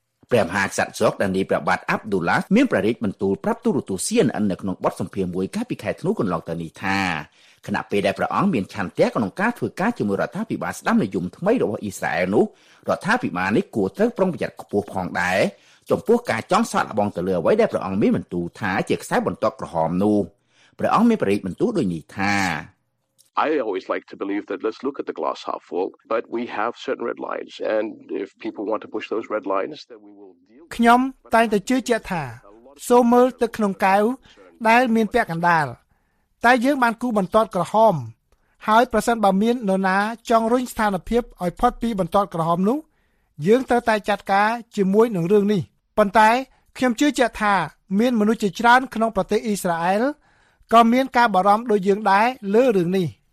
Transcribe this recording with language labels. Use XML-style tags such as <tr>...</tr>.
<km>ព្រះមហាក្សត្រសូដានីព្រះបាទ Abdullah មានប្រារព្ធបន្ទូលប្រាប់ទូរទស្សន៍ CNN នៅក្នុងបទសម្ភាសន៍មួយកាលពីខែធ្នូកន្លងទៅនេះថាគណៈពេលដែលព្រះអង្គមានឆន្ទៈក្នុងការធ្វើការជាមួយរដ្ឋាភិបាលស្ដាំនិយមថ្មីរបស់អ៊ីស្រាអែលនោះរដ្ឋាភិបាលនេះគួរត្រូវប្រុងប្រយ័ត្នខ្ពស់ផងដែរចំពោះការចង់សាកល្បងទៅលើអ្វីដែលព្រះអង្គមានបន្ទូលថាជាខ្សែបន្ទាត់ក្រហមនោះព្រះអង្គមានប្រារព្ធបន្ទូលដូចនេះថា</km> <en>I always like to believe that let's look at the glass half full but we have certain red lines and if people want to push those red lines then we will deal</en> <km>ខ្ញុំតែងតែជឿជាក់ថាសូមមើលទៅក្នុងកែវដែលមានពាក់កណ្ដាលតែយើងបានគូបន្ទាត់ក្រហមហើយប្រសិនបើមាននរណាចង់រុញស្ថានភាពឲ្យផុតពីបន្ទាត់ក្រហមនោះយើងត្រូវតែចាត់ការជាមួយនឹងរឿងនេះប៉ុន្តែខ្ញុំជឿជាក់ថាមានមនុស្សជាច្រើនក្នុងប្រទេសអ៊ីស្រាអែលក៏មានការបារម្ភដូចយើងដែរលើរឿងនេះ</km>